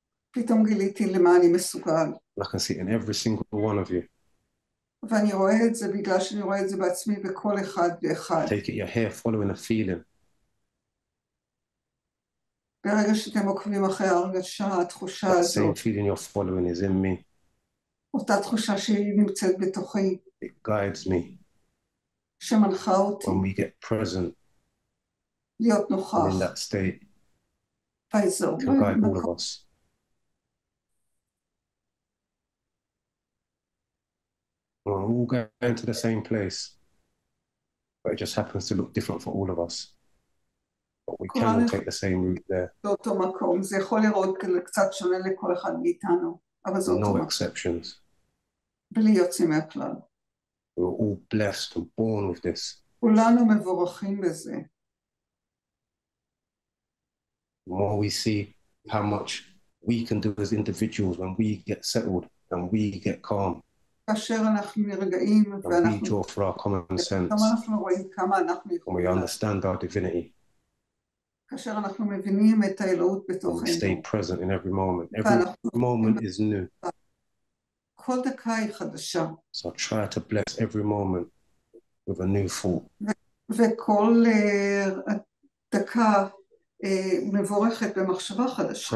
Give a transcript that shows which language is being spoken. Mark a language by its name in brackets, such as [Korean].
[Hebrew] פתאום גיליתי למה אני מסוגל. [English] I can see in every single one of you. [Hebrew] ואני רואה את זה בגלל שאני רואה את זה בעצמי בכל אחד ואחד. [English] Take it your hair following a feeling. [Hebrew] ברגע שאתם עוקבים אחרי הרגשה, התחושה הזאת. [English] That same feeling you're following is in me. [Hebrew] אותה תחושה שהיא נמצאת בתוכי. [English] It guides me. [Hebrew] שמנחה אותי. [English] When we get present. [Hebrew] להיות נוכח. [English] In that state. [Hebrew] באזור. [English] To guide all of us. We're all going to the same place. But it just happens to look different for all of us. But we can all take the same route there. [Hebrew] באותו מקום. זה יכול לראות קצת שונה לכל אחד מאיתנו. אבל זה אותו מקום. [English] No exceptions. [Hebrew] בלי יוצאים מהכלל. [English] We were all blessed and born with this. [Hebrew] כולנו מבורכים בזה. [English] The more we see how much we can do as individuals when we get settled and we get calm. [Hebrew] כאשר אנחנו נרגעים ואנחנו... [English] And we draw for our common sense. [Hebrew] כמה אנחנו רואים, כמה אנחנו יכולים. [English] And we understand our divinity. [Hebrew] כאשר אנחנו מבינים את האלוהות בתוכנו. [English] And we stay present in every moment. Every moment is new. [Hebrew] כל דקה היא חדשה. [English] So I try to bless every moment with a new thought. [Hebrew] וכל דקה מבורכת במחשבה חדשה.